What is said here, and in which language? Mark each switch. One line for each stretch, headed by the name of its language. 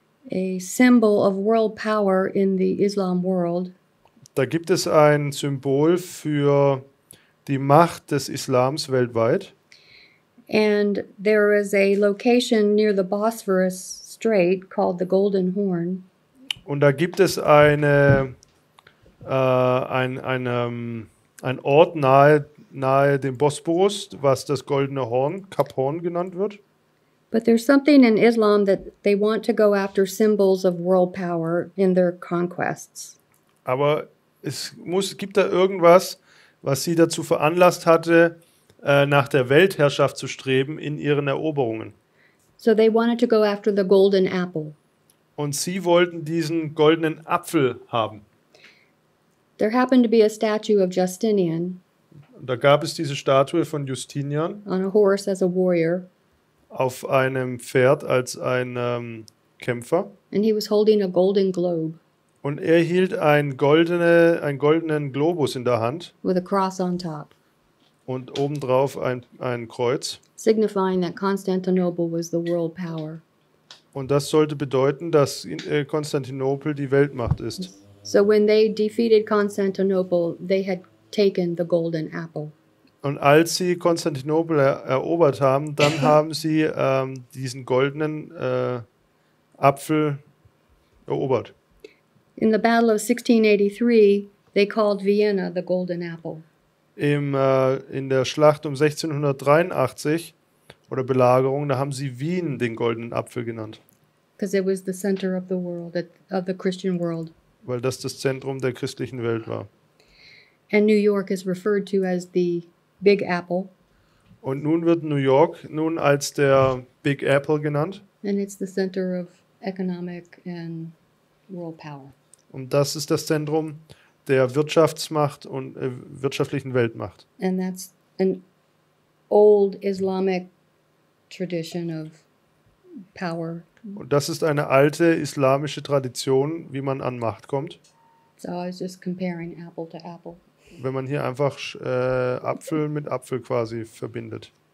English: There is a symbol of world power in the Islam world.
German: Da gibt es ein Symbol für die Macht des Islams weltweit.
English: And there is a location near the Bosphorus Strait called the Golden Horn.
German: Und da gibt es ein Ort nahe dem Bosporus, was das Goldene Horn, Kap Horn genannt wird.
English: But there's something in Islam that they want to go after symbols of world power in their conquests.
German: Aber es gibt da irgendwas, was sie dazu veranlasst hatte, nach der Weltherrschaft zu streben in ihren Eroberungen.
English: So they wanted to go after the golden apple.
German: Und sie wollten diesen goldenen Apfel haben.
English: There happened to be a statue of Justinian.
German: Da gab es diese Statue von Justinian.
English: On a horse as a warrior.
German: Auf einem Pferd als ein Kämpfer.
English: And he was holding a golden globe.
German: Und er hielt einen goldenen Globus in der Hand.
English: With a cross on top.
German: Und obendrauf ein Kreuz.
English: Signifying that Constantinople was the world power.
German: Und das sollte bedeuten, dass Konstantinopel die Weltmacht ist.
English: So when they defeated Constantinople, they had taken the golden apple.
German: Und als sie Konstantinopel erobert haben, dann haben sie diesen goldenen Apfel erobert.
English: In the Battle of 1683, they called Vienna the Golden Apple.
German: In der Schlacht um 1683 oder Belagerung, da haben sie Wien den goldenen Apfel genannt.
English: Because it was the center of the world, of the Christian world.
German: Weil das das Zentrum der christlichen Welt war.
English: And New York is referred to as the Big Apple.
German: Und nun wird New York nun als der Big Apple genannt.
English: And it's the center of economic and world power.
German: Und das ist das Zentrum der Wirtschaftsmacht und wirtschaftlichen Weltmacht.
English: And that's an old Islamic tradition of power.
German: Und das ist eine alte islamische Tradition, wie man an Macht kommt.
English: So I was just comparing apple to apple.
German: Wenn man hier einfach Apfel mit Apfel quasi verbindet.